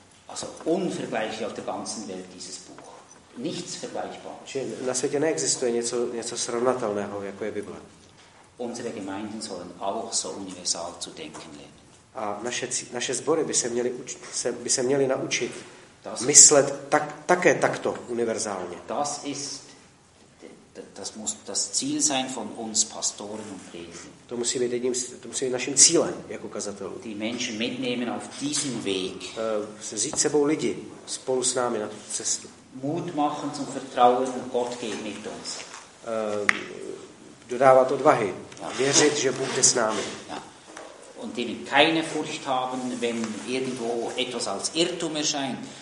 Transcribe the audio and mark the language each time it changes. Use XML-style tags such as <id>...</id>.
<de>Also unvergleichlich auf der ganzen Welt dieses Buch. Nichts vergleichbar.</de> <cs>Na světě neexistuje něco srovnatelného, jako je Bible.</cs> <de>Unsere Gemeinden sollen auch so universal zu denken lernen.</de> <cs>A naše sbory by se měly naučit das myslet také takto univerzálně.</cs> <de>Das ist das muss das Ziel sein von uns Pastoren und Predigern.</de> <cs>To musí být naším cílem jako kazatelů.</cs> <de>Die Menschen mitnehmen auf diesen Weg.</de> <cs>Vzít sebou lidi spolu s námi na tu cestu.</cs> <de>Mut machen zum Vertrauen und Gott geht mit uns.</de> <cs>Dodávat odvahy. Ja. Věřit, že Bůh je s námi. Ja.</cs> <de>Und eben keine Furcht haben, wenn irgendwo etwas als Irrtum erscheint.</de>